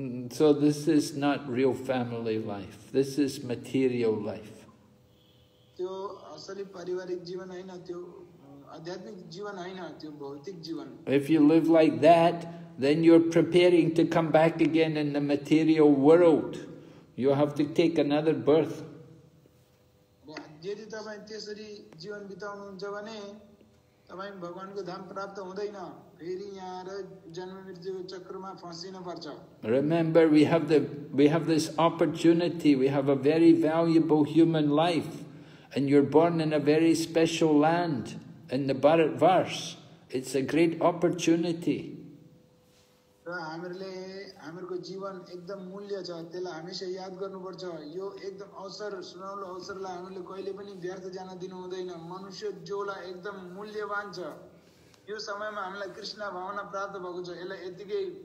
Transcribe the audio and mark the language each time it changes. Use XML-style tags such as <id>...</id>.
<en>So this is not real family life, this is material life. If you live like that, then you're preparing to come back again in the material world. You have to take another birth.</en> <ne>यदि तपाई त्यसरी जीवन बिताउनु हुन्छ भने तपाई भगवानको धाम प्राप्त हुँदैन फेरि यहाँ र जन्म मृत्युको चक्रमा फसिन पर्छ</ne> <en>Remember we have this opportunity we have a very valuable human life and you're born in a very special land in the Bharat Varsh it's a great opportunity</en> <ne>हामीले हाम्रो जीवन एकदम मूल्य छ त्यसलाई हामीसे याद गर्नुपर्छ यो एकदम अवसर सुनौलो अवसरलाई हामीले कहिले पनि व्यर्थ जान दिनु हुँदैन मनुष्य जोलाई एकदम मूल्यवान छ यो समयमा हामीलाई कृष्ण भावना प्राप्त भएको छ यसलाई यतिकै</ne>